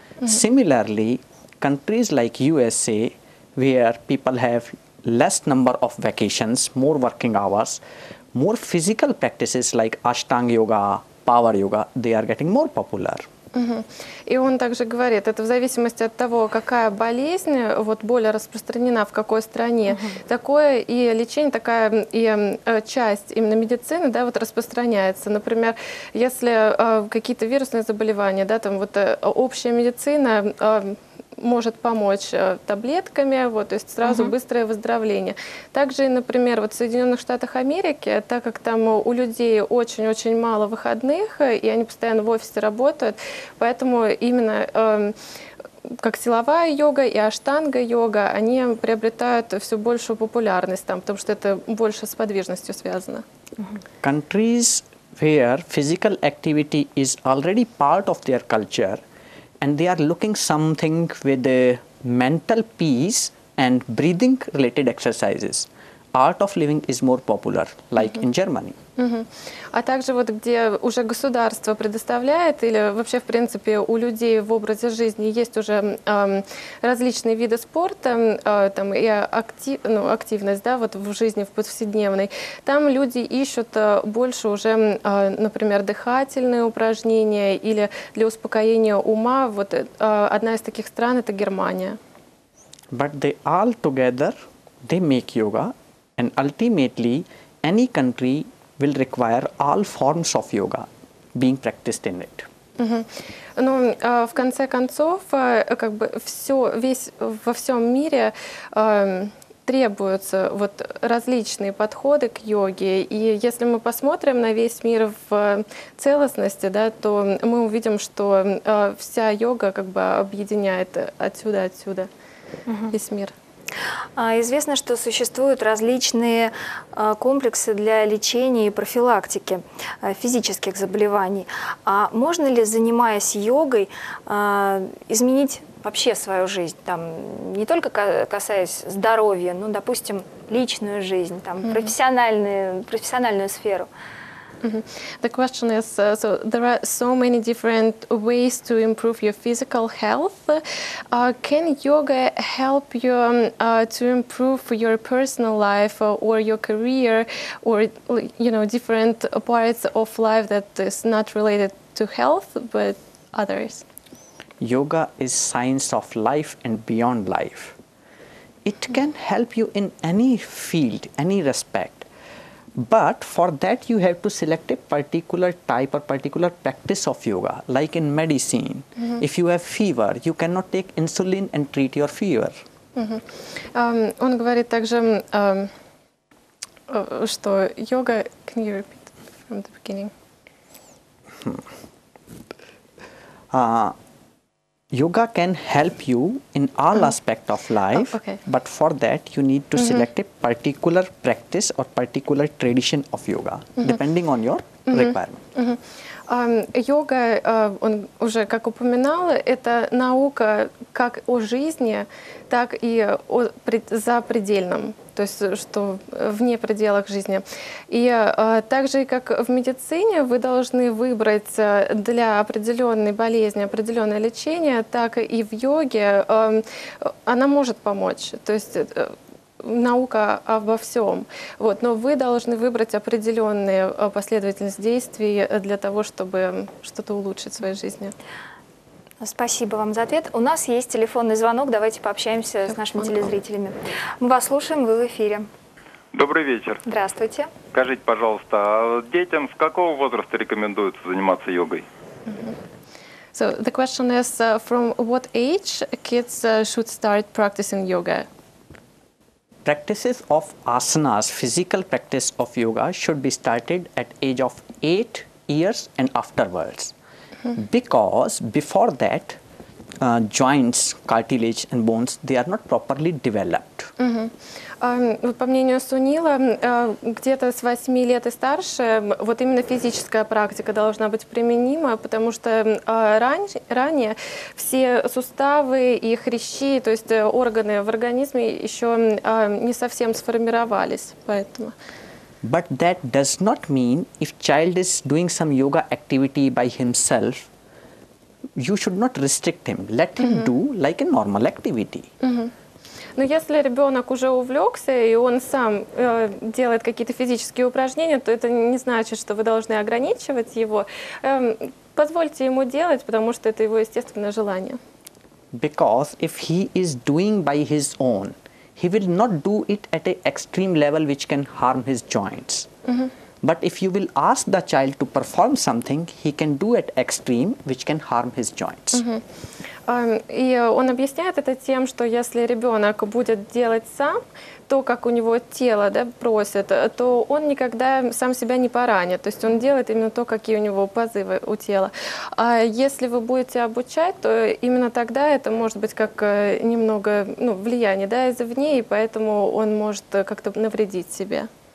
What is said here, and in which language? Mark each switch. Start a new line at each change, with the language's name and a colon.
English: Similarly, countries like USA, where people have less number of vacations, more working hours, more physical practices like Ashtanga yoga, power yoga, they are getting more popular.
Russian: И он также говорит, это в зависимости от того, какая болезнь вот более распространена в какой стране, такое и лечение, такая и часть именно медицины, да, вот распространяется. Например, если какие-то вирусные заболевания, да, там вот общая медицина может помочь таблетками, вот, то есть сразу быстрое выздоровление. Также, например, вот в Соединенных Штатах Америки, так как там у людей очень-очень мало выходных, и они постоянно в офисе работают, поэтому именно как силовая йога и аштанга-йога, они приобретают все большую популярность там, потому что это больше с подвижностью связано.
English: Countries where physical activity is already part of their culture, and they are looking something with a mental peace and breathing related exercises. Art of living is more popular, like in Germany.
Russian: А также вот где уже государство предоставляет, или вообще в принципе у людей в образе жизни есть уже различные виды спорта, там и активность, да, вот в жизни в повседневной, там люди ищут больше уже, например, дыхательные упражнения или для успокоения ума. Вот одна из таких стран — это Германия.
English: But they all together, they make yoga, and ultimately any country will require all forms of yoga being practiced in it.
Russian: Ну, в конце концов, как бы все, весь во всем мире требуются вот различные подходы к йоге. И если мы посмотрим на весь мир в целостности, да, то мы увидим, что вся йога как бы объединяет отсюда весь мир. Известно, что существуют различные комплексы для лечения и профилактики физических заболеваний. А можно ли, занимаясь йогой, изменить вообще свою жизнь? Там, не только касаясь здоровья, но, допустим, личную жизнь, там, профессиональную сферу?
English: The question is, so there are so many different ways to improve your physical health. Can yoga help you to improve your personal life or your career or, you know, different parts of life that is not related to health but others? Yoga is science of life and beyond life. It can help you in any field, any respect. But for that, you have to select a particular type or particular practice of yoga, like in medicine. If you have fever, you cannot take insulin and treat your fever.
Russian: Он говорит также, что йога...
English: Can you repeat from the beginning? Yoga can help you in all aspect of life, but for that you need to select a particular practice or particular tradition of yoga, depending on your requirement.
Russian: Йога, он уже как упоминал, это наука как о жизни, так и о запредельном, то есть что вне пределах жизни. И также, как в медицине, вы должны выбрать для определенной болезни определенное лечение, так и в йоге она может помочь. То есть наука обо всем. Вот. Но вы должны выбрать определенные последовательность действий для того, чтобы что-то улучшить в своей жизни. Спасибо вам за ответ. У нас есть телефонный звонок. Давайте пообщаемся с нашими телезрителями. Мы вас слушаем, вы в эфире. Добрый вечер. Здравствуйте. Скажите, пожалуйста, а детям с какого возраста рекомендуется заниматься йогой?
English: So the question is, from what age kids should start practicing yoga? Practices of asanas, physical practice of yoga, should be started at age of 8 years and afterwards. Because before that, joints, cartilage and bones, they are not properly developed.
Russian: По мнению Сунила, где-то с 8 лет и старше вот именно физическая практика должна быть применима, потому что ранее все суставы и хрящи, то есть органы в организме, еще не совсем сформировались, поэтому.
English: But that does not mean if child is doing some yoga activity by himself, you should not restrict him. Let him do like a normal activity.
Russian: Но если ребенок уже увлекся, и он сам делает какие-то физические упражнения, то это не значит, что вы должны ограничивать его. Позвольте ему делать, потому что это его естественное желание.
English: Because if he is doing by his own, he will not do it at an extreme level which can harm his joints. But if you will ask the child to perform something, he can do at extreme, which can harm his joints.
Russian: И он объясняет это тем, что если ребенок будет делать сам то, как у него тело, да, просит, то он никогда сам себя не поранит. То есть он делает именно то, какие у него позывы у тела. А если вы будете обучать, то именно тогда это может быть как немного, ну, влияние, да, извне, и поэтому он может как-то навредить себе.